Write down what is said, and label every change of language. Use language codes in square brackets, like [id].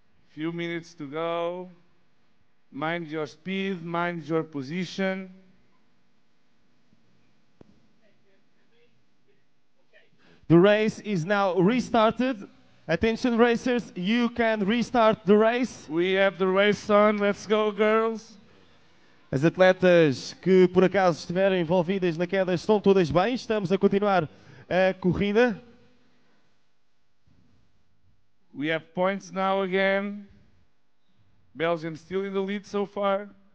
[en] Few minutes to go. Mind your speed, mind your position. The race is now restarted. Attention racers, you can restart the race. We have the race on, let's go girls. [pt] As atletas que por acaso estiveram envolvidas na queda estão todas bem, estamos a continuar a corrida. [en] We have points now again. Belgium still in the lead so far.